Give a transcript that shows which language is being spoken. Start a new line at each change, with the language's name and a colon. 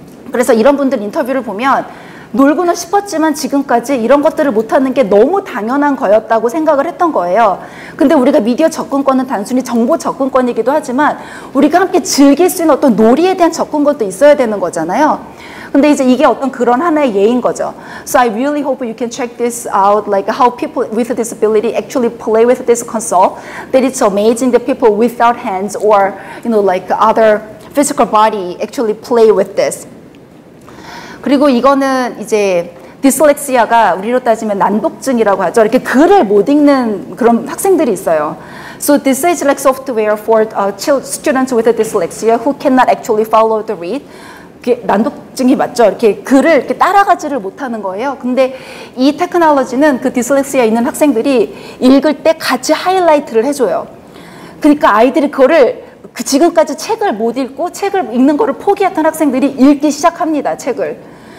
Korean: 그래서 이런 분들 인터뷰를 보면 놀고는 싶었지만 지금까지 이런 것들을 못하는 게 너무 당연한 거였다고 생각을 했던 거예요. 근데 우리가 미디어 접근권은 단순히 정보 접근권이기도 하지만 우리가 함께 즐길 수 있는 어떤 놀이에 대한 접근권도 있어야 되는 거잖아요. 근데 이제 이게 어떤 그런 하나의 예인 거죠.
English: So I really hope you can check this out, like how people with a disability actually play with this console. That it's amazing that people without hands or, you know, like other physical body actually play with this.
Korean: 그리고 이거는 이제 디슬렉시아가 우리로 따지면 난독증이라고 하죠. 이렇게 글을 못 읽는 그런 학생들이 있어요.
English: So this is like software for students with a dyslexia who cannot actually follow the read.
Korean: 난독증이 맞죠. 이렇게 글을 이렇게 따라가지를 못하는 거예요. 근데 이 테크놀로지는 그 디슬렉시아 있는 학생들이 읽을 때 같이 하이라이트를 해줘요. 그러니까 아이들이 그거를 그 지금까지 책을 못 읽고 책을 읽는 거를 포기했던 학생들이 읽기 시작합니다, 책을.